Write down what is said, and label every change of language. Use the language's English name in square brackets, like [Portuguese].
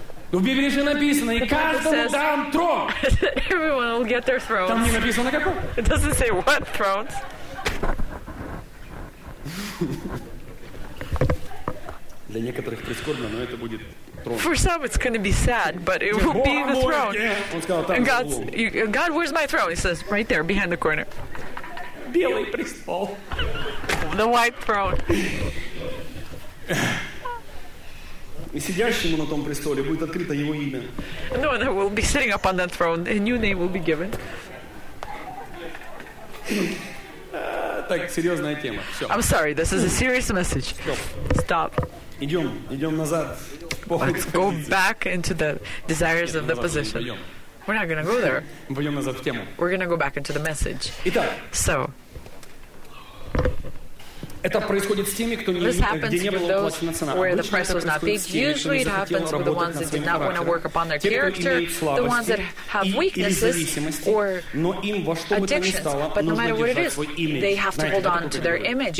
[Russian] В Библии же написано, и каждому дам трон. [English] Everyone will get their thrones. [Russian] Там не написано, какой. [English] It doesn't say what thrones. [Russian] Для некоторых прискорбно, но это будет трон. [English] For some it's going to be sad, but it will be the throne. God, where's my throne? He says, right there, behind the corner. [Russian] Белый престол. [English] The white throne. [Russian] И сидящему на том престоле будет открыто его имя. [English] No, and I will be sitting up on that throne. A new name will be given. [Russian] Так, серьезная тема. Все. [English] I'm sorry, this is a serious message. Stop. [Russian] Идем, идем назад. [English] Let's go back into the desires of the position. We're not going to go there. [Russian] Пойдем назад в тему. [English] We're going to go back into the message. [Russian] Итак. [English] So. Это происходит с теми, кто не имел оплачена цена. Where the price was not paid. Usually it happens with the ones that did not want to work upon their character, the ones that have weaknesses or addictions. But no matter what it is, they have to hold on to their image.